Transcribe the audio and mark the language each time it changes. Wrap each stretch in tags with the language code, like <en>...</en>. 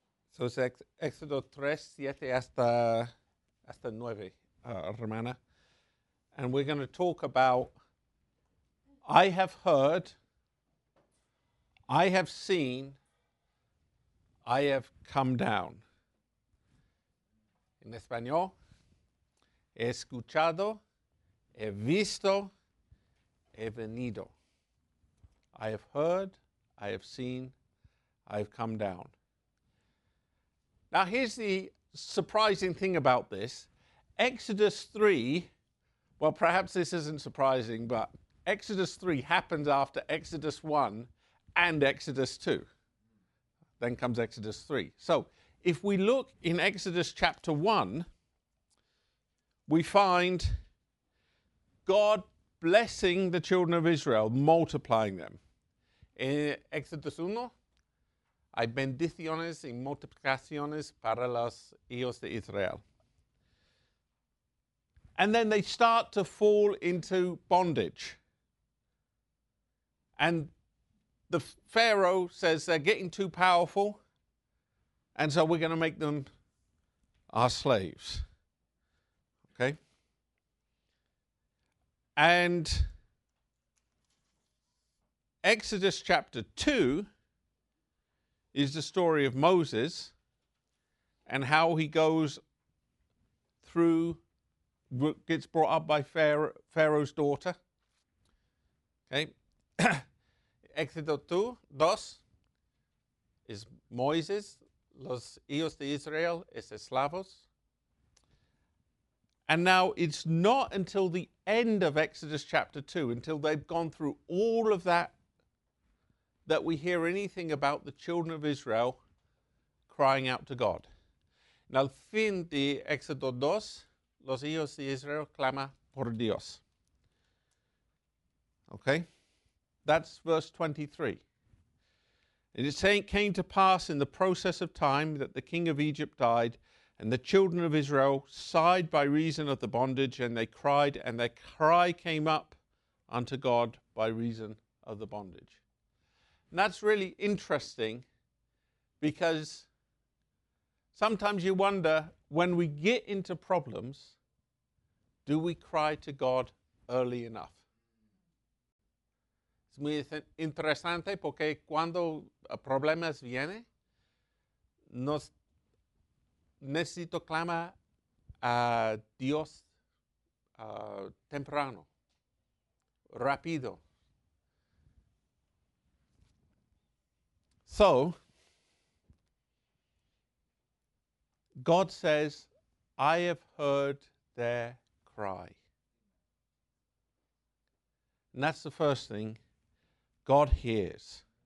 <en>So it's Exodus 3, 7</en> <es>hasta 9, hermana.</es> <en>And we're going to talk about, I have heard, I have seen, I have come down.</en> <es>In español, he escuchado, he visto, he venido.</es> <en>I have heard, I have seen, I have come down. Now, here's the surprising thing about this. Exodus 3, well, perhaps this isn't surprising, but Exodus 3 happens after Exodus 1 and Exodus 2. Then comes Exodus 3. So if we look in Exodus chapter 1, we find God blessing the children of Israel, multiplying them.</en> <es>In Exodus 1, hay bendiciones y multiplicaciones para los hijos de Israel.</es> <en>And then they start to fall into bondage. And the Pharaoh says they're getting too powerful, and so we're going to make them our slaves. Okay? And Exodus chapter 2 is the story of Moses and how he goes through, gets brought up by Pharaoh's daughter. Okay.</en> <es>Exodus 2:2 is Moses, los hijos de Israel, es esclavos.</es> <en>And now it's not until the end of Exodus chapter 2, until they've gone through all of that, that we hear anything about the children of Israel crying out to God.</en> <es>Now, fin de Exodus 2, los hijos de Israel clama por Dios.</es> <en>Okay? That's verse 23. And it's saying, it came to pass in the process of time that the king of Egypt died, and the children of Israel sighed by reason of the bondage, and they cried, and their cry came up unto God by reason of the bondage. And that's really interesting, because sometimes you wonder, when we get into problems, Do we cry to God early enough?</en> <es>Es muy interesante porque cuando problemas vienen, necesito clamar a Dios temprano, rápido.</es> <en>So, God says, I have heard their cry. And that's the first thing. God hears.</en>